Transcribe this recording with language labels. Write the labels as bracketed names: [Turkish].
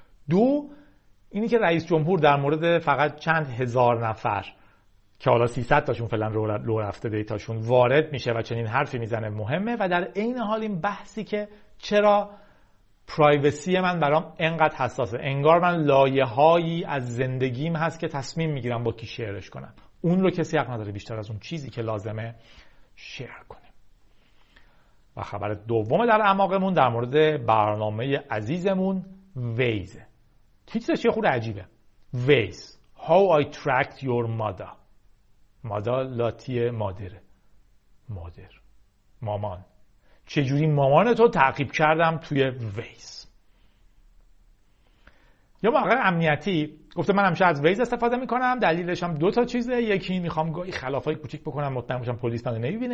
[Persian] دو، اینی که رئیس جمهور در مورد فقط چند هزار نفر که حالا 300 تاشون فعلا لو رفته دیتاشون وارد میشه و چنین حرفی میزنه مهمه، و در این حال این بحثی که چرا پرایوسی من برام انقدر حساسه، انگار من لایه‌هایی از زندگیم هست که تصمیم میگیرم با کی شیرش کنم، اون رو کسی حق نداره بیشتر از اون چیزی که لازمه شیر کنه. و خبر دوم در اعماقمون در مورد برنامه عزیزمون ویزه. تیترش یه خورده عجیبه. ویز. [English] How I tracked your mother. [Persian] mother لاتیه مادره. مادر. مامان. چجوری مامان تو تعقیب کردم توی ویز. یه موقع امنیتی گفته من همشه از ویز استفاده میکنم. دلیلش هم دوتا چیزه. یکی میخوام گاهی خلافای کوچیک بکنم. مطمئن باشم پلیس منو نمیبینه.